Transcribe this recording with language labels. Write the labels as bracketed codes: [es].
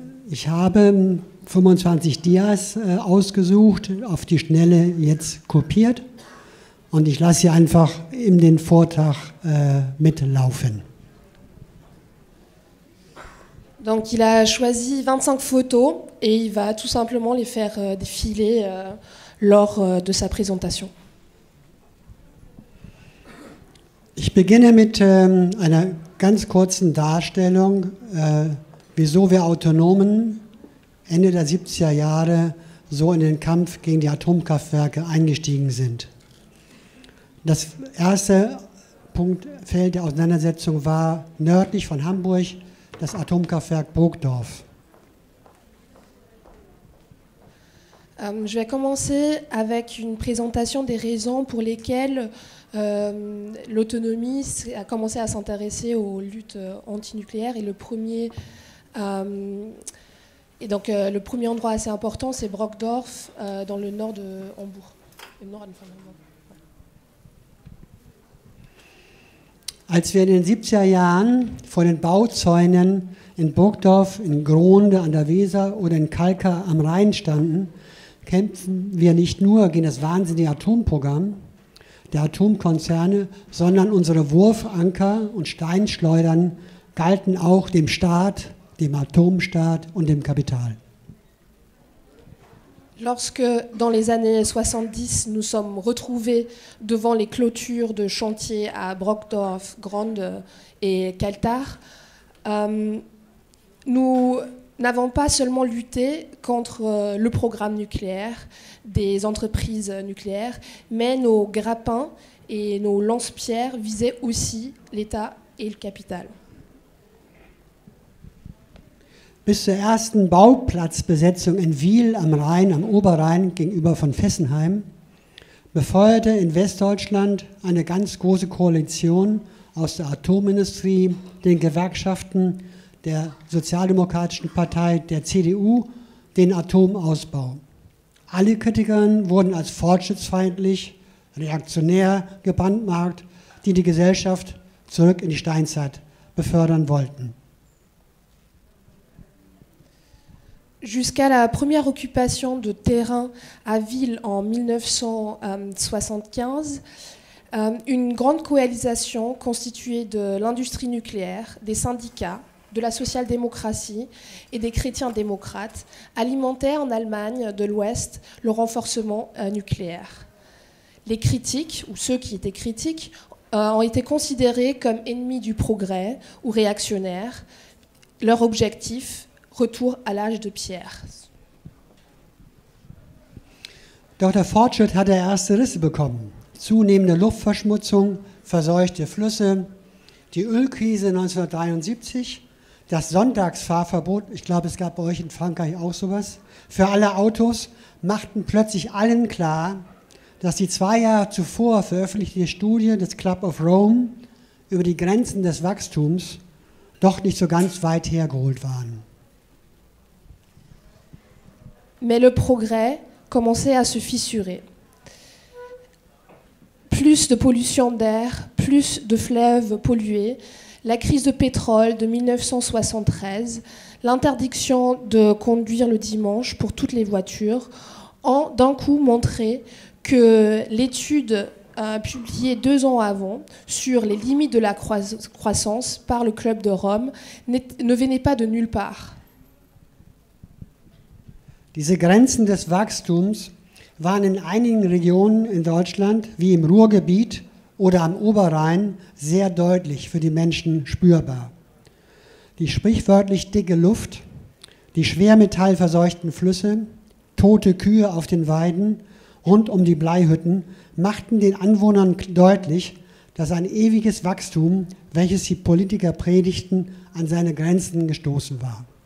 [de] Ich habe 25 Dias ausgesucht, auf die Schnelle jetzt kopiert und ich lasse sie einfach in den Vortrag mitlaufen. [fr] Donc il a choisi 25 photos et il va tout simplement les faire défiler lors de sa présentation. [de] Ich beginne mit einer ganz kurzen Darstellung, wieso wir Autonomen Ende der 70er Jahre so in den Kampf gegen die Atomkraftwerke eingestiegen sind. Das erste Punktfeld der Auseinandersetzung war nördlich von Hamburg das Atomkraftwerk Burgdorf. [fr] Je vais commencer avec une présentation des raisons pour lesquelles l'autonomie a commencé à s'intéresser aux luttes antinucléaires. Et le premier, le premier endroit assez important, c'est Burgdorf, dans le nord de Hambourg. Le nord de Hambourg. [de] Als wir in den 70er Jahren vor den Bauzäunen in Burgdorf, in Grohnde an der Weser oder in Kalka am Rhein standen, kämpfen wir nicht nur gegen das wahnsinnige Atomprogramm der Atomkonzerne, sondern unsere Wurfanker und Steinschleudern galten auch dem Staat, dem Atomstaat und dem Kapital. [fr] Lorsque dans les années 70 nous sommes retrouvés devant les clôtures de chantiers à Burgdorf, Grohnde et Kaltar, nous n'avons pas seulement lutté contre le programme nucléaire des entreprises nucléaires, mais nos grappins et nos lance-pierres visaient aussi l'État et le capital. [de] Bis zur ersten Bauplatzbesetzung in Wiel am Rhein, am Oberrhein gegenüber von Fessenheim, befeuerte in Westdeutschland eine ganz große Koalition aus der Atomindustrie, den Gewerkschaften, der Sozialdemokratischen Partei, der CDU, den Atomausbau. Alle Kritiker wurden als fortschrittsfeindlich, reaktionär gebrandmarkt, die Gesellschaft zurück in die Steinzeit befördern wollten. [fr] Jusqu'à la première occupation de terrain à Ville en 1975, une grande coalition constituée de l'industrie nucléaire, des syndicats, de la social-démocratie et des chrétiens démocrates alimentait en Allemagne de l'Ouest le renforcement nucléaire. Les critiques, ou ceux qui étaient critiques, ont été considérés comme ennemis du progrès ou réactionnaires. Leur objectif, retour à l'âge de pierre. [de] Doch der Fortschritt hatte erste Risse bekommen. Zunehmende Luftverschmutzung, verseuchte Flüsse, die Ölkrise 1973, das Sonntagsfahrverbot, ich glaube, es gab bei euch in Frankreich auch sowas, für alle Autos, machten plötzlich allen klar, dass die zwei Jahre zuvor veröffentlichte Studie des Club of Rome über die Grenzen des Wachstums doch nicht so ganz weit hergeholt waren. [fr] Mais le progrès commençait à se fissurer. Plus de pollution d'air, plus de fleuves pollués, la crise de pétrole de 1973, l'interdiction de conduire le dimanche pour toutes les voitures, ont d'un coup montré que l'étude publiée 2 ans avant sur les limites de la croissance par le Club de Rome ne venait pas de nulle part. [de] Diese Grenzen des Wachstums waren in einigen Regionen in Deutschland, wie im Ruhrgebiet oder am Oberrhein, sehr deutlich für die Menschen spürbar. Die sprichwörtlich dicke Luft, die schwermetallverseuchten Flüsse, tote Kühe auf den Weiden rund um die Bleihütten machten den Anwohnern deutlich, dass ein ewiges Wachstum, welches die Politiker predigten, an seine Grenzen gestoßen war.